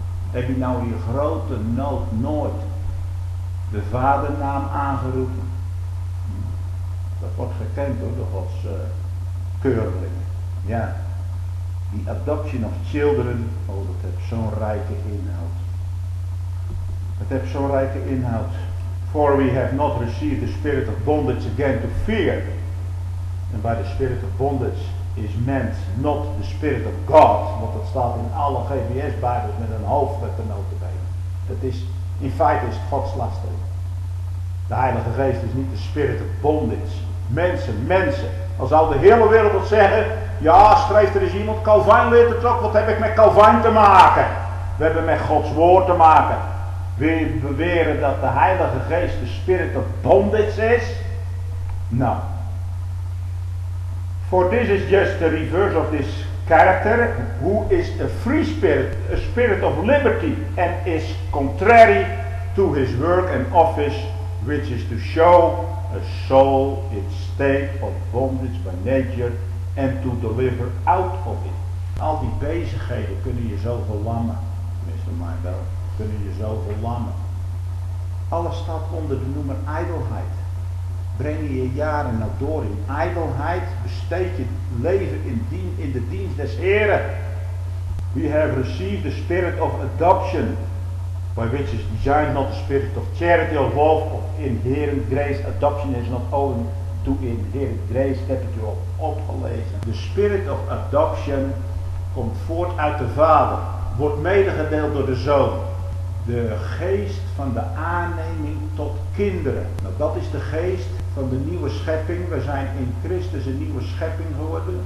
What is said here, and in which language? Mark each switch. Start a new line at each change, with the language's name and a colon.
Dutch: Heb je nou in grote nood nooit de vadernaam aangeroepen? Dat wordt gekend door de Gods keurlingen. Ja, die
English: adoption of children,
Dutch: oh, dat heeft zo'n rijke inhoud. Het heeft zo'n rijke inhoud.
English: For we have not received the spirit of bondage again to fear. En by the spirit of bondage is meant not the spirit of God.
Dutch: Want dat staat in alle GBS-bijbels met een hoofdletter notabene. Het is, in feite is het Gods lastig. De Heilige Geest is niet de
English: spirit of bondage.
Dutch: Mensen. Al zou de hele wereld wat zeggen. Ja, schrijft er eens iemand Calvijn leert het ook. Wat heb ik met Calvijn te maken? We hebben met Gods woord te maken. Wil je beweren dat de Heilige Geest de
English: spirit of bondage
Dutch: is? Nou.
English: For this is just the reverse of this character, who is a free spirit, a spirit of liberty, and is contrary to his work and office, which is to show a soul its state of bondage by nature, and to deliver out of it.
Dutch: Al die bezigheden kunnen je zo verlammen, Mr. Mindell, kunnen je zo verlammen. Alles staat onder de noemer ijdelheid. Breng je jaren nou door in ijdelheid, besteed je leven in de dienst des Heren.
English: We have received the spirit of adoption, by which is designed not the spirit of charity of love, of inherent grace. Adoption is not owing to inherent grace,
Dutch: heb ik erop opgelezen.
English: The spirit of adoption
Dutch: komt voort uit de Vader, wordt medegedeeld door de Zoon. De geest van de aanneming tot kinderen. Nou, dat is de geest van de nieuwe schepping. We zijn in Christus een nieuwe schepping geworden.